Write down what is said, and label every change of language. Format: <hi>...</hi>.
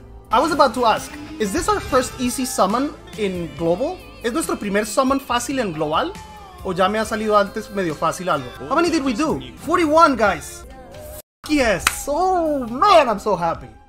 <en>I was about to ask, is this our first easy summon in global?</en> <es>¿Es nuestro primer summon fácil en global? ¿O ya me ha salido antes medio fácil algo?</es> <en>How many did we do? 41, guys! F*** yes! Oh, man, I'm so happy!</en>